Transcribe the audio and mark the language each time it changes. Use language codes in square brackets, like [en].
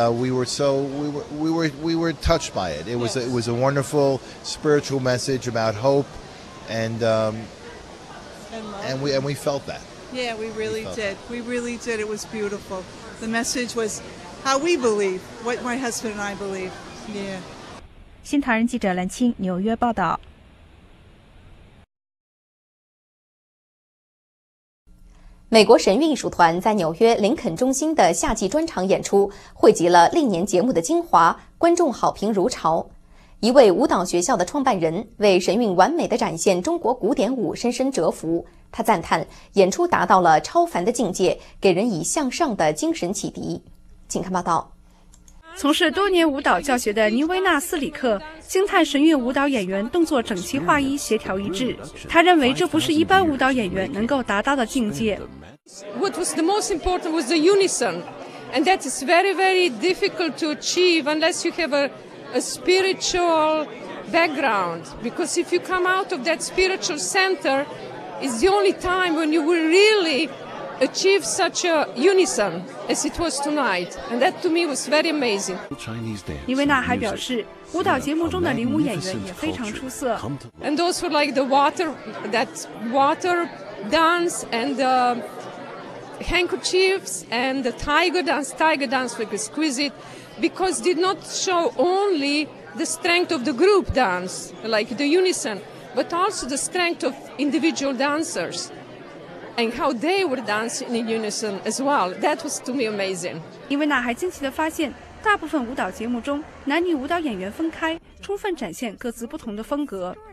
[en] And we were touched by it. It was a wonderful spiritual message about hope and we felt that. Yeah, we really did. We really did. It was beautiful. The message was how we believe, what my husband and I believe. Yeah. [zh] 新唐人记者蓝青，纽约报道。美国神韵艺术团在纽约林肯中心的夏季专场演出汇集了历年节目的精华，观众好评如潮。一位舞蹈学校的创办人为神韵完美的展现中国古典舞深深折服，他赞叹演出达到了超凡的境界，给人以向上的精神启迪。请看报道。从事多年舞蹈教学的尼维纳斯里克惊叹神韵舞蹈演员动作整齐划一，协调一致，他认为这不是一般舞蹈演员能够达到的境界。 [en] What was the most important was the unison, and that is very very difficult to achieve unless you have a spiritual background, because if you come out of that spiritual center is the only time when you will really achieve such a unison as it was tonight, and that to me was very amazing. [zh] 尼维娜还表示，舞蹈节目中的领舞演员也非常出色。 [en] And those were like the water dance and the handkerchiefs and the tiger dance. Tiger dance was exquisite because did not show only the strength of the group dance, like the unison, but also the strength of individual dancers. And how they were dancing in unison as well. That was to me amazing. [zh] 因为那还惊奇地发现，大部分舞蹈节目中，男女舞蹈演员分开，充分展现各自不同的风格。